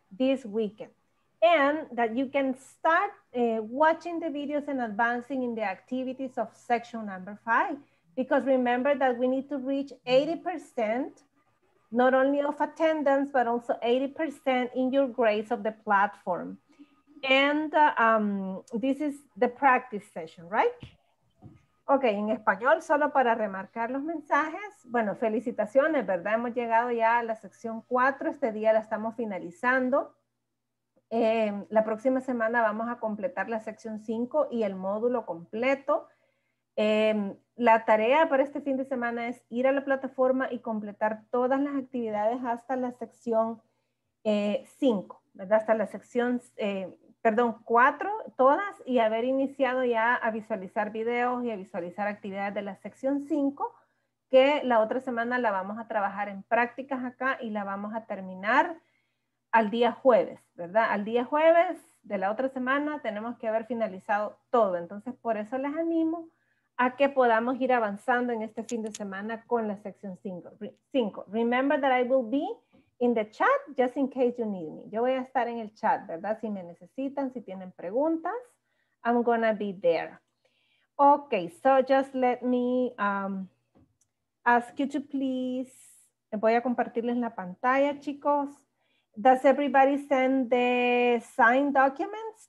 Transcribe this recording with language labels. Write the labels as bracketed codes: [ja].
[en] This weekend, and that you can start watching the videos and advancing in the activities of section number 5, because remember that we need to reach 80%, not only of attendance, but also 80% in your grades of the platform. And this is the practice session, right? [es] Okay, en español, solo para remarcar los mensajes. Bueno, felicitaciones, ¿verdad? Hemos llegado ya a la sección 4. Este día la estamos finalizando. La próxima semana vamos a completar la sección 5 y el módulo completo. La tarea para este fin de semana es ir a la plataforma y completar todas las actividades hasta la sección 5, ¿verdad? Hasta la sección 4, todas, y haber iniciado ya a visualizar videos y a visualizar actividades de la sección 5, que la otra semana la vamos a trabajar en prácticas acá y la vamos a terminar al día jueves, ¿verdad? Al día jueves de la otra semana tenemos que haber finalizado todo. Entonces, por eso les animo a que podamos ir avanzando en este fin de semana con la sección 5. [en] Remember that I will be in the chat, just in case you need me. [es] Yo voy a estar en el chat, ¿verdad? Si me necesitan, si tienen preguntas, [en] I'm gonna be there. Okay, so just let me ask you to please, [es] voy a compartirles la pantalla, chicos. [en] Does everybody send the signed documents?